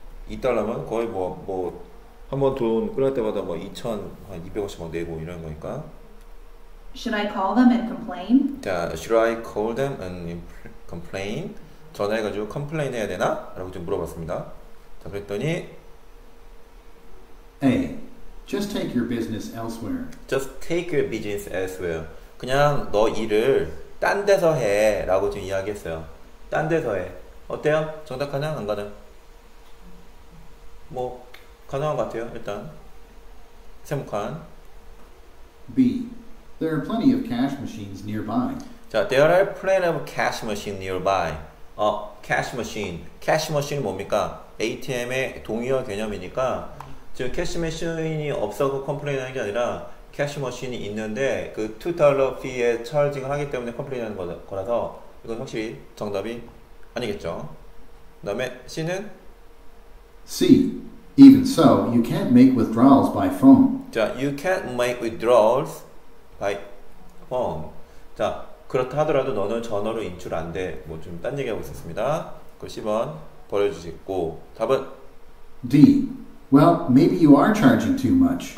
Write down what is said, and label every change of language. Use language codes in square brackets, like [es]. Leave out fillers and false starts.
[ko] 2달러면 거의 뭐 한번 돈 끌어갈 때마다 뭐 2,200원씩 내고 이런 거니까. [en] Should I call them and complain? 자, should I call them and complain? [ko] 전화해가지고 complain 해야 되나? 라고 좀 물어봤습니다. 자, 그랬더니 A. [en] Just take your business elsewhere. Just take your business elsewhere. [ko] 그냥 너 일을 딴 데서 해 라고 지금 이야기했어요. 딴 데서 해. 어때요? 정답 가능? 안 가능? 뭐 가능한 것 같아요. 일단 세목한 B. [en] There are plenty of cash machines nearby. 자, there are plenty of cash machines nearby. [ko] 캐시 머신. 캐시 머신이 뭡니까? ATM의 동의어 개념이니까 지금 캐시 머신이 없어서 컴플레인하는 게 아니라 캐시 머신이 있는데 그 $2 fee에 charging을 하기 때문에 컴플레인하는 거라서 이건 확실히 정답이 아니겠죠. 그 다음에 C는? C. [en] Even so, you can't make withdrawals by phone. 자, you can't make withdrawals by phone. [ko] 자, 그렇다 하더라도 너는 전화로 인출 안 돼. 뭐 좀 딴 얘기하고 있었습니다. 그 10번 버려주시고 답은? D. [en] Well, maybe you are charging too much.